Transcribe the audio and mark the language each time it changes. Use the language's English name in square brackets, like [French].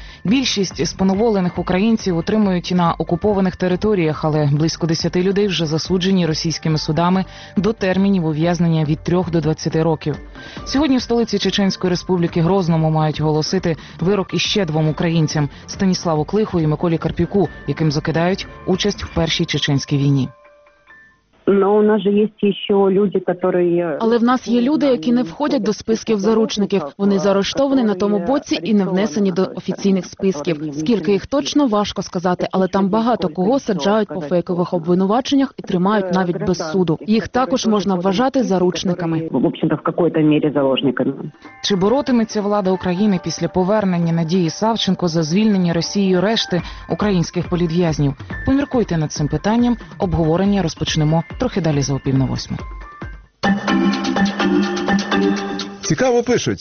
[Ukrainian] Більшість споноволених українців утримують на окупованих територіях, але близько 10 людей вже засуджені російськими судами до термінів ув'язнення від 3 до 20 років. Сьогодні в столиці Чеченської Республіки Грозному мають оголосити вирок іще двом українцям – Станіславу Клиху і Миколі Карпюку, яким закидають участь в Першій Чеченській війні. [Russian] Но у нас же есть еще люди, которые... [Ukrainian] Але в нас є люди, які не входять до списків заручників. Вони заарештовані на тому боці і не внесені до офіційних списків. Скільки їх точно, важко сказати, але там багато кого саджають по фейкових обвинуваченнях і тримають навіть без суду. Їх також можна вважати заручниками. [Russian] В общем-то, в какой-то мере заложниками. [Ukrainian] Чи боротиметься влада України після повернення Надії Савченко за звільнення Росією решти українських політв'язнів? Поміркуйте над цим питанням, обговорення розпочнемо трохи далі за опівновосьму. Цікаво пишуть.